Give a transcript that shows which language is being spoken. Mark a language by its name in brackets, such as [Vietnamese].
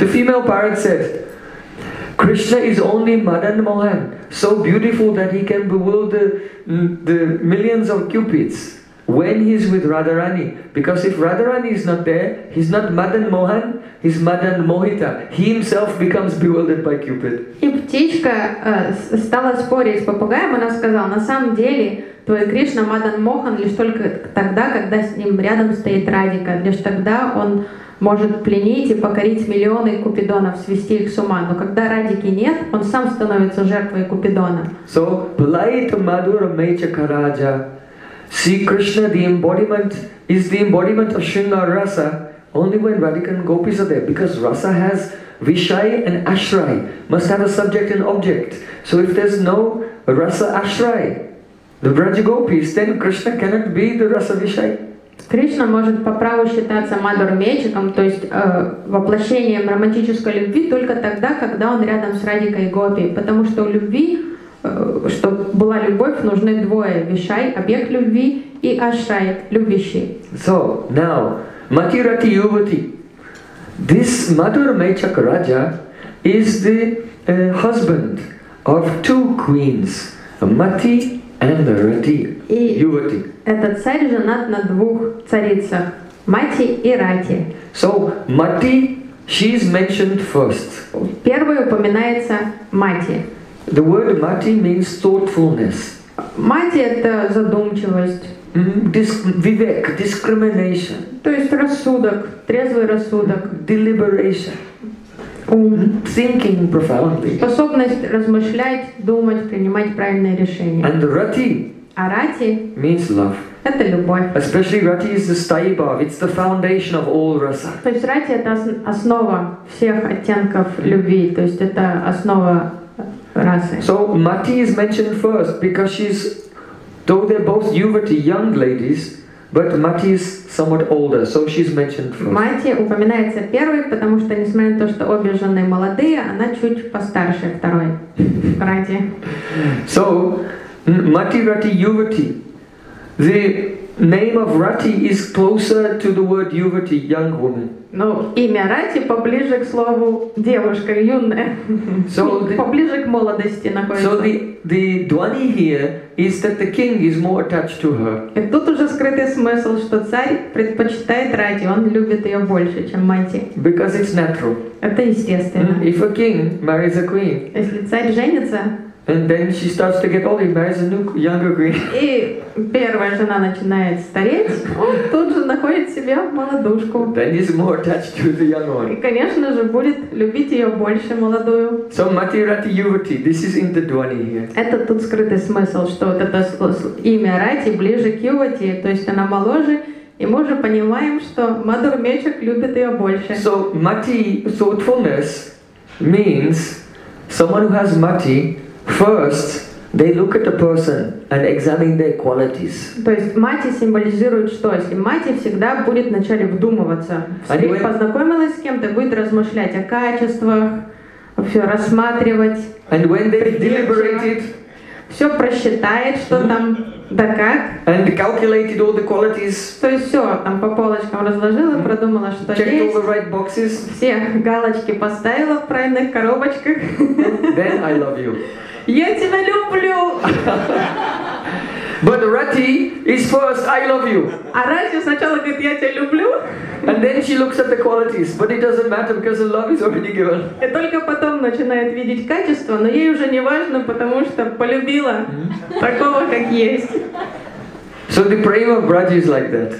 [English] The female parrot said, Krishna is only Madan Mohan, so beautiful that he can bewilder the millions of cupids when he is with Radharani. Because if Radharani is not there, he's not Madan Mohan, he's Madan Mohita. He himself becomes bewildered by Cupid. [Russian] И птичка стала спорить с попугаем, она сказала, на самом деле твой Кришна Мадан Мохан лишь только тогда, когда с ним рядом стоит Радика. Лишь тогда он может пленить и покорить миллионы купидонов, свести их с ума. Но когда Радики нет, он сам становится жертвой купидона. [English] So, Plait Madhur Mechaka Raja. See, Krishna, the embodiment, is the embodiment of Shringar Rasa only when Radhika and Gopis are there, because Rasa has Vishay and Ashray, must have a subject and object. So if there's no Rasa Ashray, the Braja Gopis, then Krishna cannot be the Rasa Vishay. [Russian] Кришна может по праву считаться Мадур Мечаком, то есть воплощением романтической любви только тогда, когда он рядом с Радикой и Гопи, потому что у любви, чтобы была любовь, нужны двое: Вишай, объект любви, и Ашрай, любящий. [English] So now, Matirati Yuvati, this Madhur Mechak Raja is the husband of two queens, Mati and Rati Yuvati. [Russian] Этот царь женат на двух царицах, Мати и Рати. [English] So Mati, she is mentioned first. [Russian] Первой упоминается Мати. [English] The word Mati means thoughtfulness. [Russian] Mati – это задумчивость. [English] Vivek – discrimination. [Russian] То есть рассудок, трезвый рассудок. [English] Deliberation. Thinking profoundly. [Russian] Способность размышлять, думать, принимать правильные решения. [English] And Rati – means love. [Russian] Это любовь. [English] Especially Rati is the staibhav. It's the foundation of all rasa. [Russian] То есть Рати — это основа всех оттенков любви. То есть это основа расы. [English] So Mati is mentioned first because she's, though they're both yuvati, young ladies, but Mati is somewhat older, so she's mentioned first. [Russian] Mati упоминается первой, потому что несмотря на то, что обе жены молодые, она чуть постарше второй. Рати. [English] So Mati, Rati, Yuvati. The name of Rati is closer to the word Yuvati, young woman. [Russian] Ну, имя Рати поближе к слову девушка, юная. So поближе к молодости находится. [English] So the dwani here is that the king is more attached to her. [Russian] И тут уже скрытый смысл, что царь предпочитает Рати, он любит ее больше, чем Мати. [English] Because it's natural. [Russian] Это естественно. Mm-hmm. [English] If a king marries a queen. [Russian] Если царь женится. [English] And then she starts to get older, marries a new younger queen. [Russian] И первая жена начинает стареть, он тут же находит себе молодушку. [English] Then he's more attached to the young one. [Russian] И, конечно же, будет любить ее больше молодую. [English] So Mati, Rati, Yuvati, this is in the dwani here. [Russian] Это тут скрытый смысл, что вот это имя Рати ближе к Yuvati, то есть она моложе, и мы уже понимаем, что Мадур Мечек любит ее больше. [English] So Mati, thoughtfulness means someone who has Mati. First, they look at the person and examine their qualities. [Russian] То есть мати символизирует что? Если мати всегда будет вначале вдумываться. Если познакомилась с кем-то, будет размышлять о качествах, все рассматривать. [English] And when they deliberated, [Russian] все просчитает, что там да как. [English] And calculated all the qualities. [Russian] То есть все там по полочкам разложила, продумала, что [English] checked [Russian] есть. [English] All the right boxes. [Russian] Все галочки поставила в правильных коробочках. [English] Then I love you. [Russian] Я тебя люблю. [English] But Rati is first, I love you. [Russian] А Рати сначала говорит, я тебя люблю. [English] And then she looks at the qualities, but it doesn't matter because the love is already given. [Russian] И только потом начинает видеть качество, но ей уже не важно, потому что полюбила такого, как есть. [English] So the prema of Braja is like that.